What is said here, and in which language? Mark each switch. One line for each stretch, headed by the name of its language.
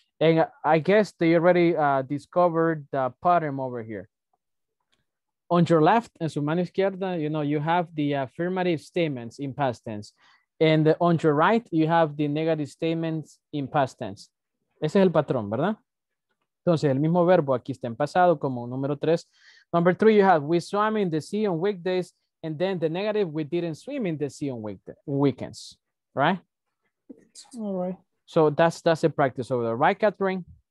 English: And I guess they already discovered the pattern over here. On your left,
Spanish: en su mano izquierda,
English: you know, you have the affirmative statements in past tense. And on your right, you have the negative statements in past tense.
Spanish: Ese es el patrón, ¿verdad? Entonces, el mismo verbo aquí está en pasado, como número tres.
English: Number three, you have, we swam in the sea on weekdays. And then the negative, we didn't swim in the sea on weekends, right? It's all right. So that's a practice over there, right, Catherine?